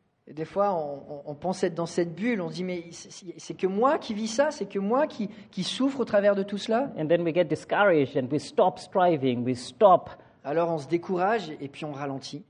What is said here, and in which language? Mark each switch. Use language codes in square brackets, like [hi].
[fr] Des fois, on pense être dans cette bulle. On se dit, mais c'est que moi qui vis ça, c'est que moi qui souffre au travers de tout cela. [en] And then we get discouraged and we stop striving, we stop. [fr] Alors on se décourage et puis on ralentit.